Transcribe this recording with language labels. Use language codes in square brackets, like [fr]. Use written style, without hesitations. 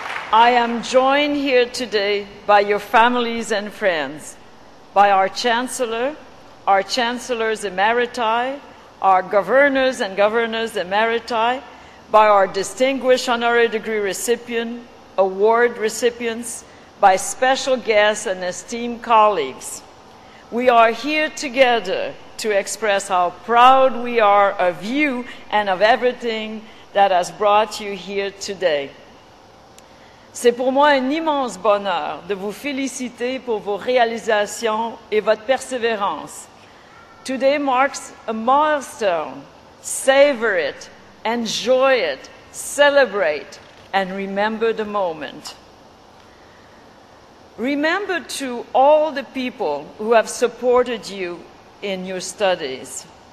[en] I am joined here today by your families and friends, by our chancellors emeriti, our governors and governors emeriti, by our distinguished honorary degree recipient, award recipients, by special guests and esteemed colleagues. We are here together to express how proud we are of you and of everything that has brought you here today. [fr] C'est pour moi un immense bonheur de vous féliciter pour vos réalisations et votre persévérance. [en] Today marks a milestone. Savor it, enjoy it, celebrate, and remember the moment. Remember to all the people who have supported you in your studies.